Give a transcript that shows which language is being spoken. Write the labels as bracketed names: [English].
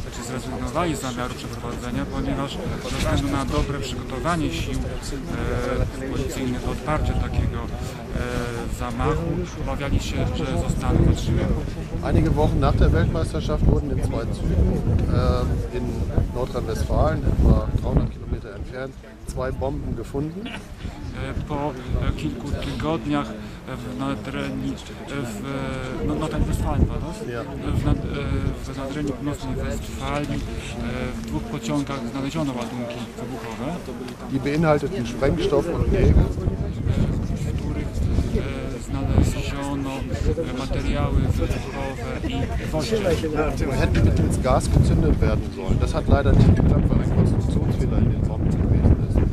[Polish] Zrezygnowali z zamiaru przeprowadzenia, ponieważ ze względu na dobre przygotowanie sił policyjnych do odparcia takiego zamachu, obawiali się, że zostaną zatrzymani. [German] Einige Wochen nach der Weltmeisterschaft wurden in zwei Zügen in Nordrhein-Westfalen, etwa 300 km entfernt, zwei Bomben gefunden. [Polish] Po kilku tygodniach w nadrenii północnej Westfalii w dwóch pociągach znaleziono ładunki wybuchowe. [German] Die beinhalteten Sprengstoff und Nägel. [Polish] W których znaleziono materiały wybuchowe i wojsce. [German] Und hätten mittels Gas gezündet werden sollen. Das hat leider nicht geklappt, weil ein Konstruktionsfehler in den Bomben gewesen ist.